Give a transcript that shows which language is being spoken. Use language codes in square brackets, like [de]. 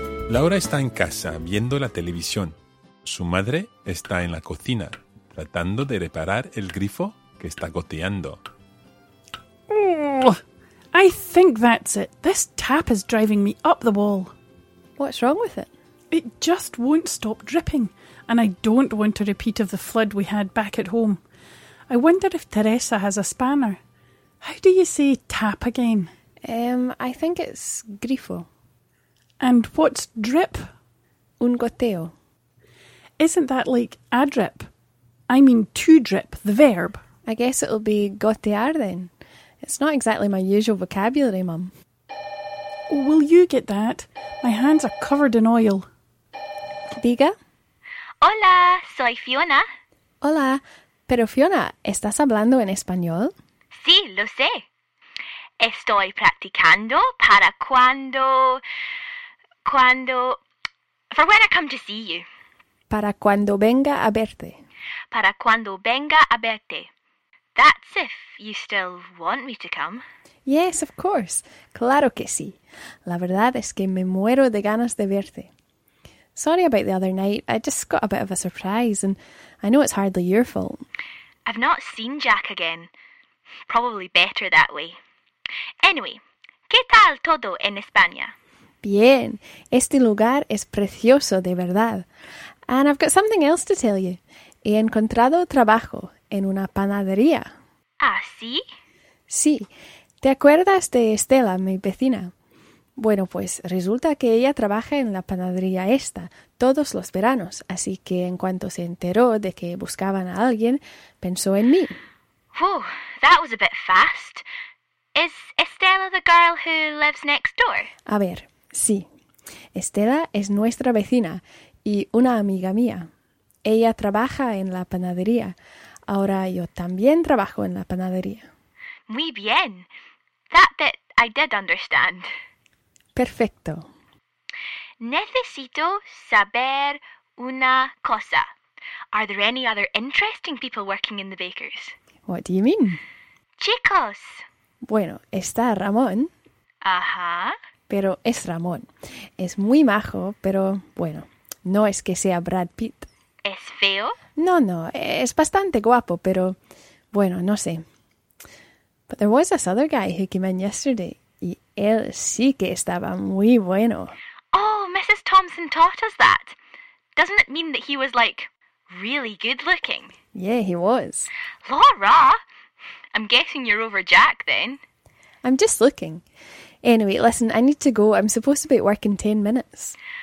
[es] Laura está en casa viendo la televisión. Su madre está en la cocina tratando de reparar el grifo que está goteando. [en] I think that's it. This tap is driving me up the wall. What's wrong with it? It just won't stop dripping, and I don't want a repeat of the flood we had back at home. I wonder if Teresa has a spanner. How do you say tap again? I think it's grifo. And what's drip? [es] Un goteo. [en] Isn't that like a drip? I mean to drip, the verb. I guess it'll be gotear then. It's not exactly my usual vocabulary, Mum. Oh, will you get that? My hands are covered in oil. [es] Diga. Hola, soy Fiona. Hola, pero Fiona, ¿estás hablando en español? Sí, lo sé. Estoy practicando para cuando... [en] For when I come to see you. [es] Para cuando venga a verte. Para cuando venga a verte. [en] That's if you still want me to come. Yes, of course. Claro que sí. [es] La verdad es que me muero de ganas de verte. [en] Sorry about the other night. I just got a bit of a surprise and I know it's hardly your fault. I've not seen Jack again. Probably better that way. [es] Anyway, ¿qué tal todo en España? Bien, este lugar es precioso de verdad. [en] And I've got something else to tell you. [es] He encontrado trabajo en una panadería. ¿Ah, sí? Sí. ¿Te acuerdas de Estela, mi vecina? Bueno, pues resulta que ella trabaja en la panadería esta todos los veranos, así que en cuanto se enteró de que buscaban a alguien, pensó en mí. [en] Oh, that was a bit fast. Is Estela the girl who lives next door? [es] A ver. Sí. Estela es nuestra vecina y una amiga mía. Ella trabaja en la panadería. Ahora yo también trabajo en la panadería. Muy bien. [en] That bit I did understand. [es] Perfecto. Necesito saber una cosa. [en] Are there any other interesting people working in the bakers? What do you mean? [es] Chicos. Bueno, está Ramón. Ajá. Pero es Ramón. Es muy majo, pero bueno, no es que sea Brad Pitt. ¿Es feo? No, no, es bastante guapo, pero bueno, no sé. [en] But there was this other guy who came in yesterday, y él sí que estaba muy bueno. Oh, Mrs. Thompson taught us that. Doesn't it mean that he was, like, really good looking? Yeah, he was. Laura! I'm guessing you're over Jack, then. I'm just looking. Anyway, listen, I need to go. I'm supposed to be at work in 10 minutes.